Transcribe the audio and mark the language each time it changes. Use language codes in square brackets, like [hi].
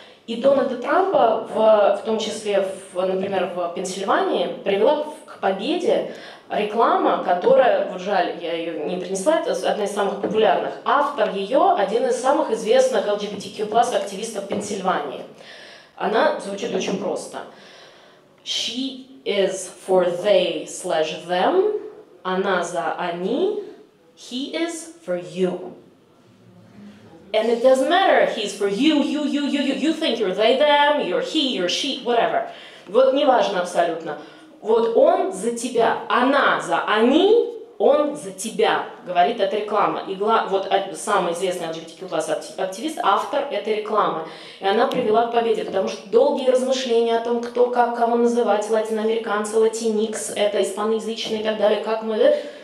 [ru] И Дональда Трампа, в том числе, например, в Пенсильвании, привела к победе реклама, которая, вот жаль, я ее не принесла, это одна из самых популярных. Автор ее – один из самых известных LGBTQ+ активистов Пенсильвании. Она звучит очень просто. [en] She is for they/them, [ru] она за они, [en] he is for you. And it doesn't matter, he's for you, you, you, you, you, you think you're they/them, you're he, you're she, whatever. [ru] Вот неважно абсолютно. Вот он за тебя, она за они, он за тебя, говорит эта реклама. И вот самый известный LGBTQ+ активист, автор этой рекламы. И она привела к победе, потому что долгие размышления о том, кто как, кого называть, латиноамериканцы, латиникс, это испаноязычные и так далее, как мы...